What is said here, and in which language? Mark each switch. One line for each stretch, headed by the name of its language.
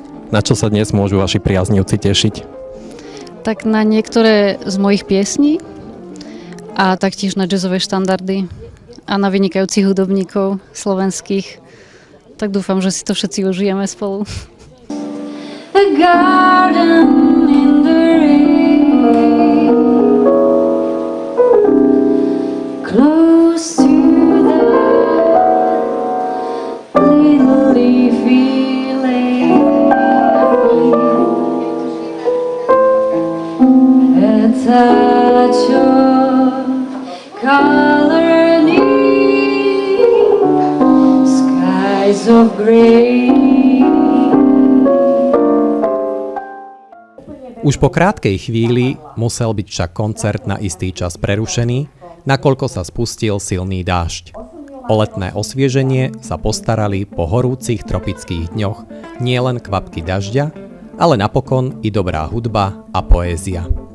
Slovak: Na čo sa dnes môžu vaši priaznivci tešiť? Tak na niektoré z mojich piesní a taktiež na jazzové štandardy a na vynikajúcich hudobníkov slovenských. Tak dúfam, že si to všetci užijeme spolu.
English: A garden in the rain, close to the little leafy lane, a touch of color neat, skies of gray.
Slovak: Už po krátkej chvíli musel byť však koncert na istý čas prerušený, nakoľko sa spustil silný dážď. O letné osvieženie sa postarali po horúcich tropických dňoch nielen kvapky dažďa, ale napokon i dobrá hudba a poézia.